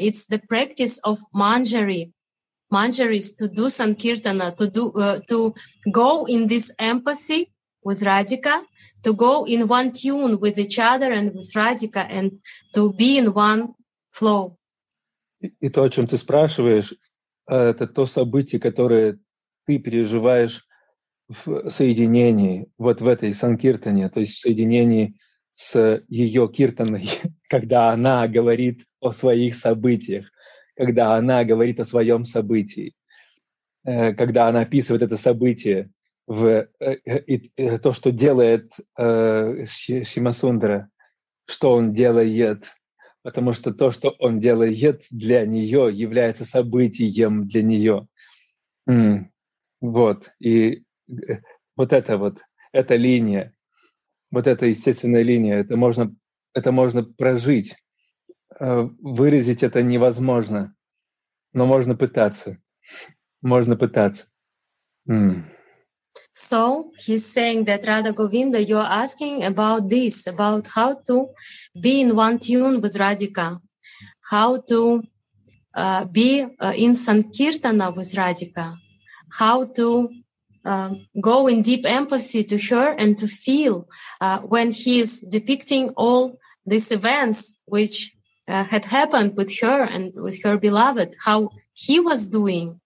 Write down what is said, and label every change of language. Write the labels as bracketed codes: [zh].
[en] It's the practice of manjaris to do Sankirtana, to go in this empathy with Radhika, to go in one tune with each other and with Radhika, and to be in one flow. [ru] И то, о чем ты спрашиваешь, это то событие, которое ты переживаешь в соединении, вот в этой санкиртане, то есть в соединении с ее киртаной, когда она говорит о своих событиях, когда она говорит о своем событии, когда она описывает это событие, в то, что делает Шимасундра, что он делает, потому что то, что он делает для нее, является событием для нее. Вот, и вот это вот, эта линия, вот эта естественная линия, это можно прожить. Выразить это невозможно, но можно пытаться. Можно пытаться. [en] So he's saying that Radha Govinda, you're asking about this, about how to be in one tune with Radhika, how to be in Sankirtana with Radhika, how to go in deep empathy to her and to feel when he's depicting all these events which had happened with her and with her beloved, how he was doing.